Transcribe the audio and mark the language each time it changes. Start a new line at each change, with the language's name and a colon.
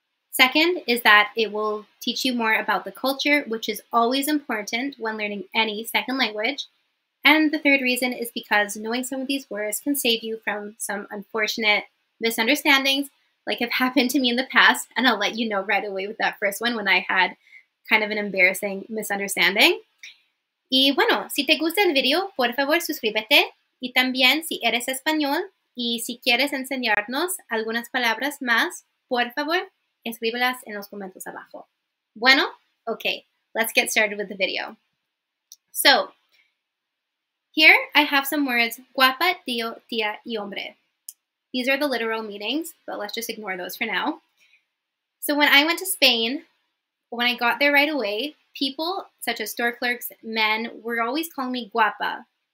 English: Second is that it will teach you more about the culture, which is always important when learning any second language. And the third reason is because knowing some of these words can save you from some unfortunate misunderstandings, like have happened to me in the past, and I'll let you know right away with that first one when I had kind of an embarrassing misunderstanding.
Spanish: Y bueno, si te gusta el video, por favor, suscríbete. Y también, si eres español y si quieres enseñarnos algunas palabras más, por favor, escríbelas en los comentarios abajo.
English: Bueno, okay, let's get started with the video. So, here I have some words, guapa, tío, tía, y hombre. These are the literal meanings, but let's just ignore those for now. So when I went to Spain, when I got there right away, people such as store clerks, men, were always calling me guapa.